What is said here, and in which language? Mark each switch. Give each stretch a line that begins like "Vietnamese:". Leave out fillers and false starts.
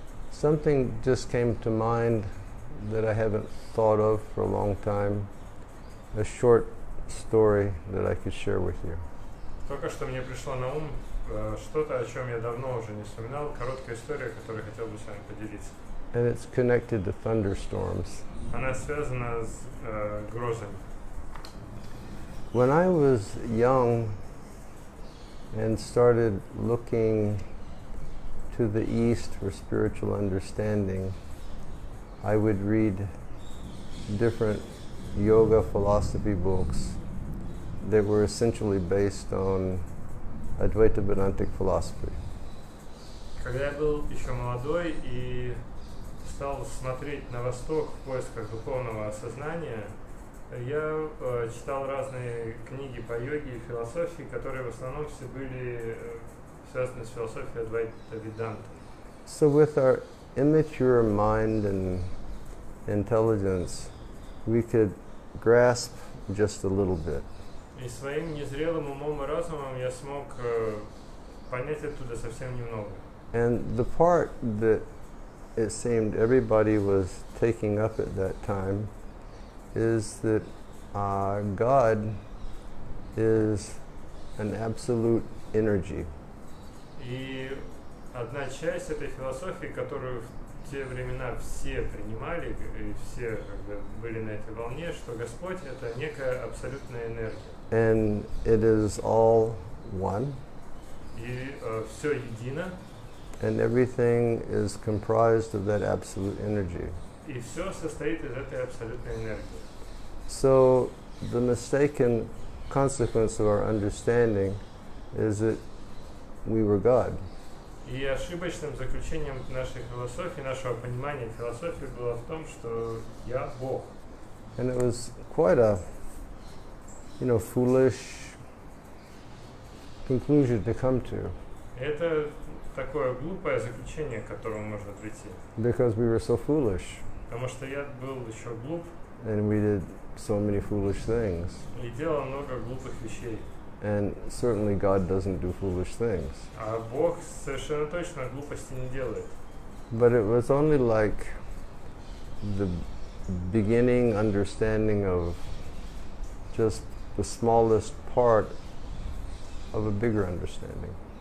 English: Something just came to mind that I haven't thought of for a long time, a short story that I could share with you.
Russian: Только что мне пришло на ум что-то, о чем я давно уже не вспоминал, короткая история, которую хотел бы с вами поделиться.
English: And it's connected to thunderstorms.
Russian: Она связана с грозами.
English: When I was young and started looking to the east for spiritual understanding, I would read different yoga philosophy books that were essentially based on Advaita Vedantic philosophy.
Russian: Когда я был еще молодой и стал смотреть на восток в поисках духовного осознания, я читал разные книги по йоге и философии, которые в основном все были связаны с философией Адвайта Веданты.
English: So with our immature mind and intelligence, we could grasp just a little bit.
Russian: И своим незрелым умом и разумом я смог понять оттуда совсем немного.
English: And the part that it seemed everybody was taking up at that time is that God is an absolute energy.
Russian: И одна часть этой философии, которую в те времена все принимали и все были на этой волне, что Господь – это некая абсолютная энергия.
English: And it is all one.
Russian: И все едино.
English: And everything is comprised of that absolute energy.
Russian: И все состоит из этой абсолютной энергии.
English: So the mistaken consequence of our understanding is that we were God.
Russian: И ошибочным заключением нашей философии, нашего понимания философии было в том, что я Бог.
English: And it was quite a, you know, foolish conclusion to come to.
Russian: Это такое глупое заключение, к которому можно прийти.
English: Because we were so foolish.
Russian: Потому что я был еще глуп.
English: And we did so many foolish things.
Russian: И делал много глупых вещей.
English: And certainly God doesn't do foolish things.
Russian: А Бог совершенно точно глупости не делает.
English: But it was only like the beginning understanding of just the smallest part of a bigger understanding.